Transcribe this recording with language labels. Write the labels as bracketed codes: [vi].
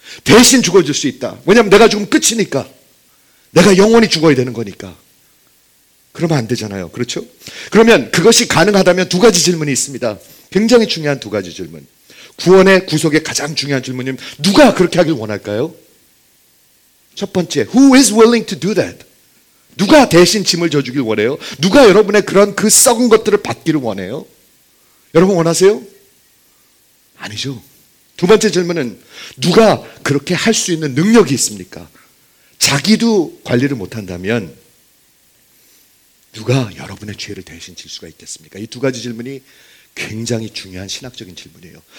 [ko] 대신 죽어질 수 있다. 왜냐하면 내가 죽으면 끝이니까. 내가 영원히 죽어야 되는 거니까. 그러면 안 되잖아요. 그렇죠? 그러면 그것이 가능하다면 두 가지 질문이 있습니다. 굉장히 중요한 두 가지 질문. 구원의 구속의 가장 중요한 질문은 누가 그렇게 하길 원할까요? 첫 번째, [en] who is willing to do that? [ko] 누가 대신 짐을 져주길 원해요? 누가 여러분의 그런 그 썩은 것들을 받기를 원해요? 여러분 원하세요? 아니죠. 두 번째 질문은 누가 그렇게 할 수 있는 능력이 있습니까? 자기도 관리를 못한다면 누가 여러분의 죄를 대신 질 수가 있겠습니까? 이 두 가지 질문이 굉장히 중요한 신학적인 질문이에요.